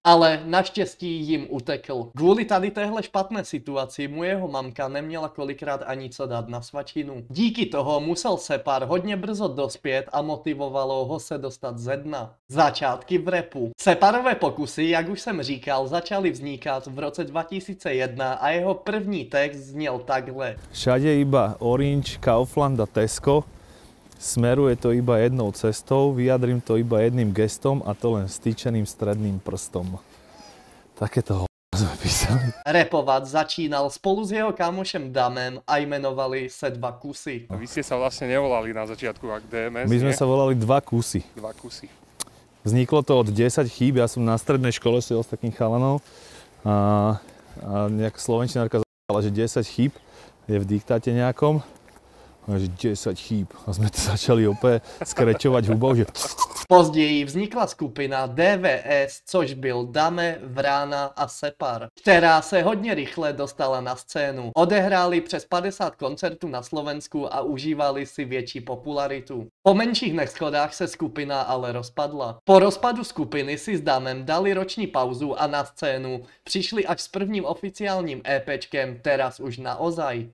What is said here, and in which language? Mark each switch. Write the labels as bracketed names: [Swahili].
[Czech] Ale naštěstí jim utekl. Kvůli tady téhle špatné situaci mu jeho mamka neměla kolikrát ani co dát na svačinu. Díky toho musel Separ hodně brzo dospět a motivovalo ho se dostat ze dna. Začátky v rapu. Separové pokusy, jak už jsem říkal, začaly vznikat v roce 2001 a jeho první text zněl takhle. [Slovak] Všade iba Orange, Kaufland a Tesco. Smeruje to iba jednou cestou, vyjadrím to iba jedným gestom a to len stýčeným stredným prstom. Také toho sme písali. [Czech] Rapovať začínal spolu s jeho kamošem Damem a jmenovali se Dva kusy. [Slovak] Vy ste sa vlastne nevolali na začiatku ak DMS, my sme sa volali Dva kusy. Dva kusy. Vzniklo to od 10 chýb, ja som na strednej škole sedel s takým chalanom a nejaká slovenčinárka zaujala, že 10 chýb je v diktáte nejakom. Že 10 chýb a sme to začali opäť skrečovať hubou, že... [Czech] Později vznikla skupina DVS, což byl Dame, Vrána a Separ, která se hodně rychle dostala na scénu. Odehráli přes 50 koncertů na Slovensku a užívali si větší popularitu. Po menších neschodách se skupina ale rozpadla. Po rozpadu skupiny si s Damem dali roční pauzu a na scénu přišli až s prvním oficiálním EPčkem Teraz už naozaj.